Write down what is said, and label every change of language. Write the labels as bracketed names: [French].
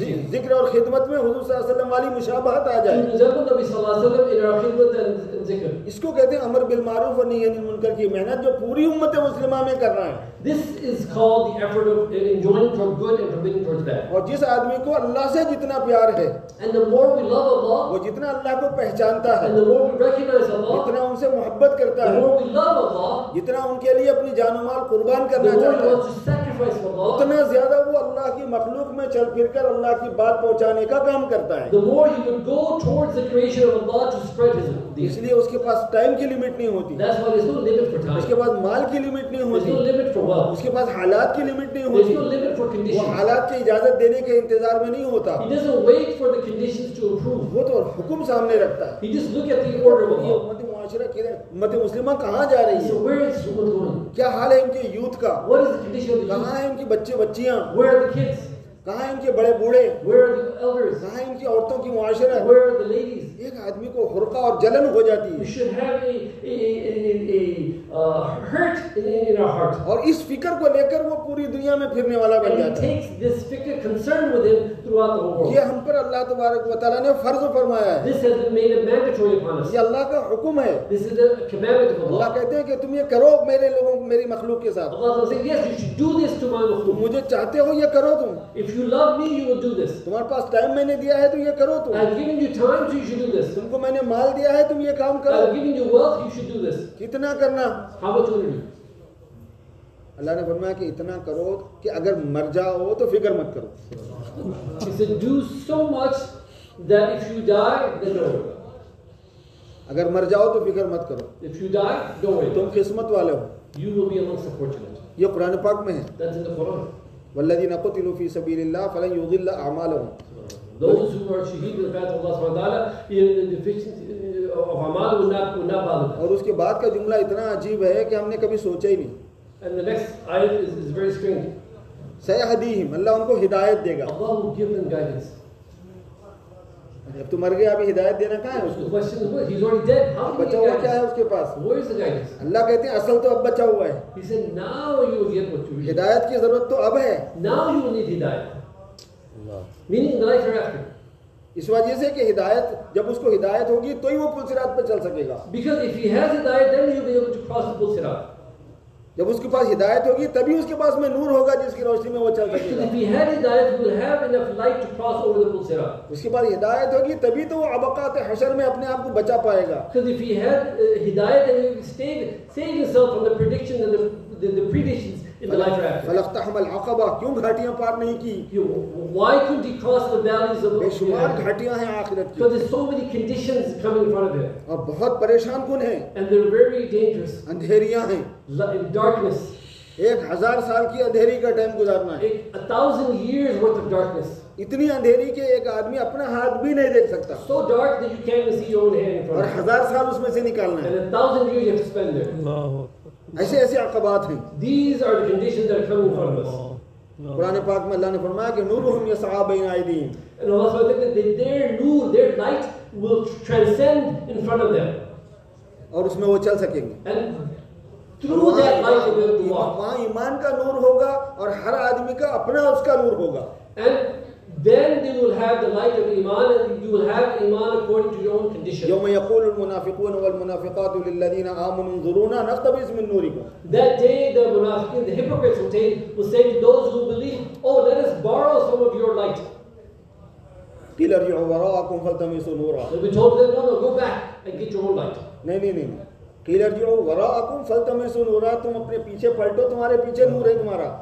[Urdu] ذکر اور خدمت میں حضور صلی اللہ علیہ وسلم والی مشابہت آ جائے. اس کو کہتے ہیں امر بالمعروف و نہی عن المنکر کی محنت جو پوری امت مسلمہ میں کر رہا ہے. [English] This is called the effort of enjoining from good and forbidding towards bad. [Urdu] اور جس آدمی کو اللہ سے جتنا پیار ہے, [English] and the more we love Allah, [Urdu] وہ جتنا اللہ کو پہچانتا ہے, [English] and the more we recognize Allah, [Urdu] جتنا ان سے محبت کرتا ہے, [English] the more we love Allah, [Urdu] جتنا ان کے لیے اپنی جان و مال قربان کرنا چاہتا ہے, اتنا زیادہ وہ اللہ کی مخلوق میں چل پھر کر اللہ کی بات پہنچانے کا کام کرتا ہے. [English] The more he would go towards the creation of Allah to spread his deen. [Urdu] اس لیے اس کے پاس ٹائم کی لیمٹ نہیں ہوتی. [English] That's why there's no limit for time. [Urdu] اس کے پاس مال کی لیمٹ نہیں ہوتی. [English] There's no limit for wealth. [Urdu] اس کے پاس حالات کی لیمٹ نہیں ہوتی. [English] There's no limit for conditions. [Urdu] وہ حالات کی اجازت دینے کے انتظار میں نہیں ہوتا. [English] He doesn't wait for the conditions to approve. [Urdu] وہ تو حکم سامنے رکھتا ہے. [English] He just look at the order of Allah. [Urdu] امت مسلمہ کہاں جا رہی ہے؟ [English] So where is going? [Urdu] کیا حال ہے ان کے یوتھ کا؟ [English] What is the condition of the youth? [Urdu] کہاں ہیں ان کی بچے بچیاں؟ [English] Where are the kids? [Urdu] کہاں ان کے بڑے بوڑھے؟ [English] Where are the elders? [Urdu] کہاں ان کی عورتوں کی معاشرہ؟ [English] Where are the ladies? [Urdu] ایک آدمی کو حرقہ اور جلن ہو جاتی ہے. [English] We should have a hurt in our heart. [Urdu] اور اس فکر کو لے کر وہ پوری دنیا میں پھرنے والا بن جاتا ہے. [English] And he takes this fikr concern with him throughout the world. [Urdu] یہ ہم پر اللہ تبارک و تعالی نے فرض فرمایا ہے. [English] This has been made a mandatory upon us. [Urdu] یہ اللہ کا حکم ہے. [English] This is a commandment of Allah. [Urdu] اللہ کہتے ہیں کہ تم یہ کرو میرے لوگوں میری مخلوق کے ساتھ. [English] Allah says, yes, you should do this to my مخلوق. [Urdu] مجھے چاہتے ہو یہ کرو تم. [English] If you love me, you will do this. [Urdu] تمہارے پاس ٹائم میں نے دیا ہے تو یہ کرو تم. [English] I've given you time, so you should do this. [Urdu] تم کو میں نے مال دیا ہے, تم یہ کام کرو. [English] I've given you wealth, you should do this. [Urdu] کتنا کرنا؟ [English] How much will you do? [Urdu] اللہ نے فرمایا کہ اتنا کرو کہ اگر مر جاؤ تو فکر مت کرو. [English] He said, do so much that if you die, then no. [Urdu] اگر مر جاؤ تو فکر مت کرو. [English] If you die, don't worry. [Urdu] تم قسمت والے ہو. [English] You will be amongst the fortunate. [Urdu] یہ قرآن پاک میں ہے. [English] That's in the Quran. [Arabic] والذين قتلوا في سبيل الله فلن يضل اعمالهم. [English] Those who are shaheed in the path of Allah Subhanahu wa Taala, in the deficiency of amal will not bother them. [Urdu] اور اس کے بعد کا جملہ اتنا عجیب ہے کہ ہم نے کبھی سوچا ہی نہیں. [English] And the next ayat is very strange. [Arabic] سيهديهم, [Urdu] اللہ ان کو ہدایت دے گا. [English] Allah will give them guidance. [Urdu] جب تو مر گیا ابھی ہدایت دینا کہاں ہے اس کو؟ [English] He's already dead. How can [Urdu] بچا ہوا کیا ہے اس کے پاس؟ [English] Where is the guidance? [Urdu] اللہ کہتے ہیں اصل تو اب بچا ہوا ہے. [English] He said, now you will get what you need. [Urdu] ہدایت کی ضرورت تو اب ہے. [English] Now you will need hidayah. Meaning the life hereafter. [Urdu] اس وجہ سے کہ ہدایت, جب اس کو ہدایت ہوگی تو ہی وہ پل صراط پر چل سکے گا. [English] Because if he has hidayah, then he'll be able to cross the pul sirat. [Urdu] جب اس کے پاس ہدایت ہوگی تبھی اس کے پاس میں نور ہوگا جس کی روشنی میں وہ چل سکے گا. [English] Because if he had hidayah, he will have enough light to cross over the pul sirat. [Urdu] اس کے پاس ہدایت ہوگی تبھی تو وہ عبقات حشر میں اپنے آپ کو بچا پائے گا. [English] Because if he had hidayah, then he will save himself from the predictions and the predictions. [Arabic] فلاقتحم العقبہ, [Urdu] کیوں گھاٹیاں پار نہیں کی؟ [English] Why couldn't he cross the valleys of [Urdu] بے شمار گھاٹیاں ہیں آخرت کی. [English] So there's so many conditions coming in front of him. [Urdu] اور بہت پریشان کن ہیں. [English] And they're very dangerous. [Urdu] اندھیریاں ہیں. [English] Darkness. [Urdu] ایک ہزار سال کی اندھیری کا ٹائم گزارنا ہے. [English] A thousand years worth of darkness. [Urdu] اتنی اندھیری کہ ایک آدمی اپنا ہاتھ بھی نہیں دیکھ سکتا. [English] So dark that you can't even see your own hand in front of you. [Urdu] اور ہزار سال اس میں سے نکالنا ہے. [English] And a thousand years you have to spend there. [Urdu] ایسے ایسے عقبات ہیں. [English] These are the conditions that are coming from us. [Urdu] قرآن پاک میں اللہ نے فرمایا کہ [Arabic] نورہم یسعا بین ایدیہم. [English] And Allah said that their nur, their light will transcend in front of them. [Urdu] اور اس میں وہ چل سکیں گے. [English] And through that light they will walk. [Urdu] وہاں ایمان کا نور ہوگا اور ہر آدمی کا اپنا اس کا نور ہوگا. [English] And then they will have the light of iman, and you will have iman according to your own condition. [Arabic] يوم يقول المنافقون والمنافقات للذين آمنوا انظرونا نقتبس من نوركم. [English] That day the munafiqun, the hypocrites will say to those who believe, oh, let us borrow some of your light. [Arabic] قيل ارجعوا وراءكم فالتمسوا نورا. [English] They'll be told them, no, go back and get your own light. [Urdu] نہیں [Arabic] قیل ارجعوا وراءکم فالتمسوا نورا, [Urdu] تم اپنے پیچھے پلٹو, تمہارے پیچھے نور ہے تمہارا.